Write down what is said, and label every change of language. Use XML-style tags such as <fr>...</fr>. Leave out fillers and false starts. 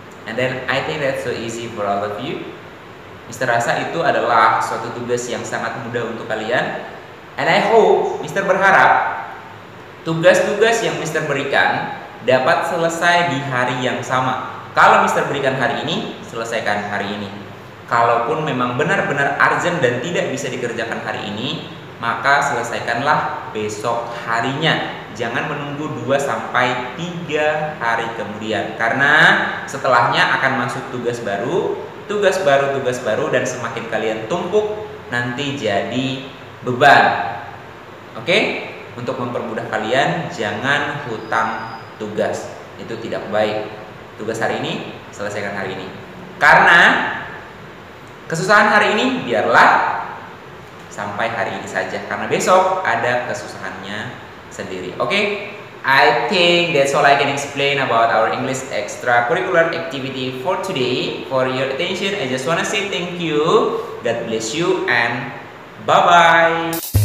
<en>And then I think that's so easy for all of you.</en> <id>Mister rasa itu adalah suatu tugas yang sangat mudah untuk kalian.</id> <en>And I hope,</en> <id>Mister berharap tugas-tugas yang Mister berikan dapat selesai di hari yang sama. Kalau Mister berikan hari ini, selesaikan hari ini. Kalaupun memang benar-benar urgent dan tidak bisa dikerjakan hari ini, maka selesaikanlah besok harinya. Jangan menunggu 2-3 hari kemudian. Karena setelahnya akan masuk tugas baru, tugas baru, tugas baru, dan semakin kalian tumpuk, nanti jadi beban. Oke? Untuk mempermudah kalian, jangan hutang tugas. Itu tidak baik. Tugas hari ini, selesaikan hari ini. Karena kesusahan hari ini, biarlah sampai hari ini saja. Karena besok ada kesusahannya sendiri. Oke?</id> <en>Okay? I think that's all I can explain about our English extracurricular activity for today. For your attention, I just wanna say thank you. God bless you and bye-bye.</en>